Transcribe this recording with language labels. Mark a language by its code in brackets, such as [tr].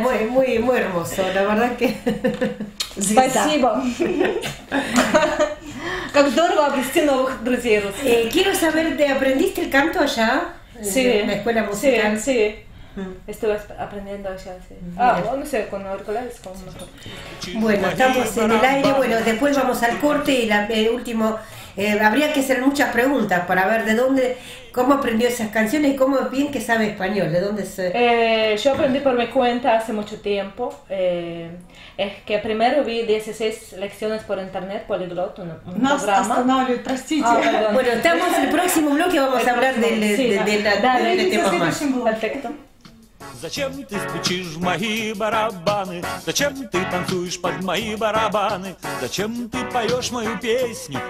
[es] Muy, muy, muy hermoso, la verdad que... [ru] Спасибо. Как здорово обрести новых друзей. [es] Quiero saber, ¿te aprendiste el canto allá? Sí. En la escuela musical. Sí, sí. Estuve aprendiendo allá, sí. Ah, no sé, con auriculares, como mejor. Bueno, estamos en el aire. Bueno, después vamos al corte y el último... habría que hacer muchas preguntas para ver de dónde, cómo aprendió esas canciones y cómo bien que sabe español, de dónde se... Yo aprendí por mi cuenta hace mucho tiempo, es que primero vi 16 lecciones por internet, Poliglot, un programa. No, hasta no, bueno, estamos en el próximo bloque, vamos a hablar del tema más. Perfecto. [ru] Зачем ты стучишь в мои барабаны? Зачем ты танцуешь под мои барабаны? Зачем ты поешь мою песню?